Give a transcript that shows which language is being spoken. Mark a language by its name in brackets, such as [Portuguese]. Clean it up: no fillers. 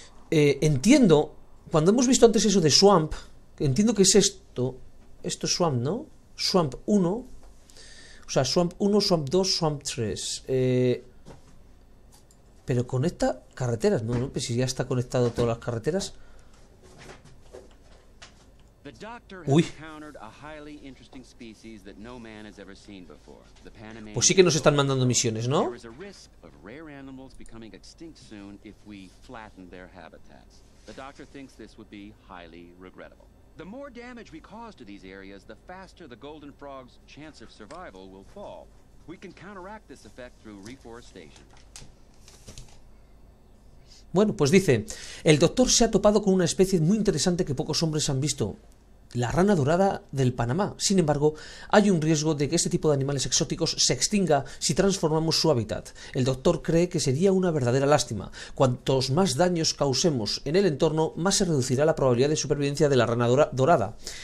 [Spanish] Entiendo, cuando hemos visto antes eso de Swamp, entiendo que es esto. Esto es Swamp, ¿no? Swamp 1. O sea, Swamp 1, Swamp 2, Swamp 3. Pero conecta carreteras, ¿no? Pues si ya está conectado todas las carreteras. [English] The doctor has [Spanish] Uy. [English] encountered a highly interesting species that no man has ever seen before. The [Spanish] Pues sí que nos están mandando [English] Panamanian. [Spanish] misiones, ¿no? [English] There is a risk of rare animals becoming extinct soon if we flatten their habitats. The doctor thinks this would be highly regrettable. The more damage we cause to these areas, the faster the golden frog's chance of survival will fall. We can counteract this effect through reforestation. [Spanish] Bueno, pues dice, el doctor se ha topado con una especie muy interesante que pocos hombres han visto, la rana dorada del Panamá. Sin embargo, hay un riesgo de que este tipo de animales exóticos se extinga si transformamos su hábitat. El doctor cree que sería una verdadera lástima. Cuantos más daños causemos en el entorno, más se reducirá la probabilidad de supervivencia de la rana dorada.